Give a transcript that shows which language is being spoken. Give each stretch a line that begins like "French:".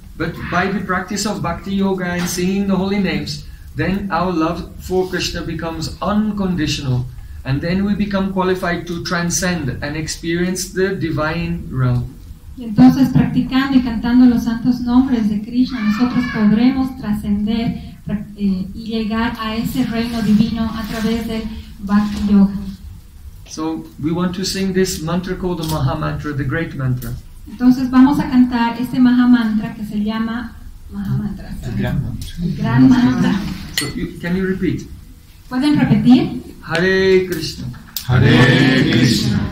English: But by the practice of bhakti yoga and singing the holy names, then our love for Krishna becomes unconditional, and then we become qualified to transcend and experience the divine realm.
Spanish: Y entonces, practicando y cantando los santos nombres de Krishna, nosotros podremos trascender y llegar a ese reino divino a través del bhakti yoga.
English: So we want to sing this mantra called the Maha Mantra, the great mantra.
Spanish: Entonces vamos a cantar este Maha Mantra que se llama Maha Mantra. El gran mantra.
English: So can you repeat?
Spanish: ¿Pueden repetir?
Sanskrit: Hare Krishna. Hare Krishna.